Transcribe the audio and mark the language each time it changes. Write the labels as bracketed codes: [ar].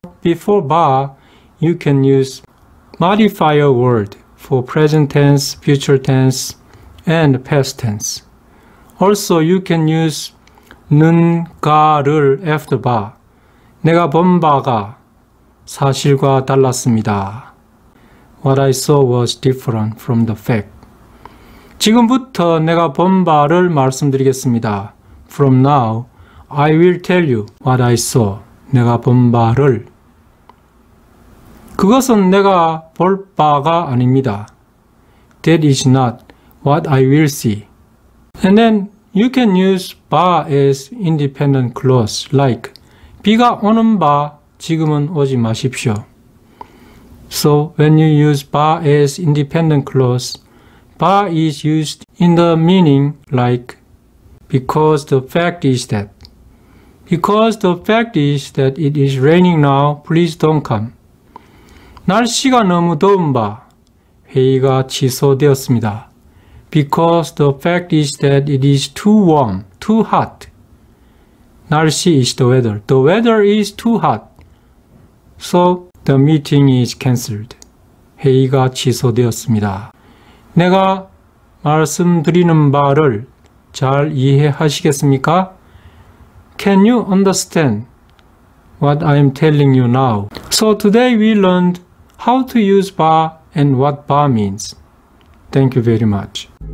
[en] Before bar, you can use modifier word for present tense, future tense, and past tense. Also, you can use [ko] 는, 가, 를 [en] after bar. [ko] 내가 본 바가 사실과 달랐습니다. [en] What I saw was different from the fact. [ko] 지금부터 내가 본 바를 말씀드리겠습니다. [en] From now, I will tell you what I saw. [ko] 내가 본 바를. 그것은 내가 볼 바가 아닙니다. [en] That is not what I will see. And then you can use 바 as independent clause like [ko] 비가 오는 바 지금은 오지 마십시오. [en] So when you use 바 as independent clause, 바 is used in the meaning like because the fact is that. Because the fact is that it is raining now, please don't come. [ko] 날씨가 너무 더운 바, 회의가 취소되었습니다. [en] Because the fact is that it is too warm, too hot. 날씨 is the weather. The weather is too hot. So the meeting is cancelled. [ko] 회의가 취소되었습니다. 내가 말씀드리는 바를 잘 이해하시겠습니까? [en] Can you understand what I am telling you now? So today we learned how to use bar and what bar means. Thank you very much.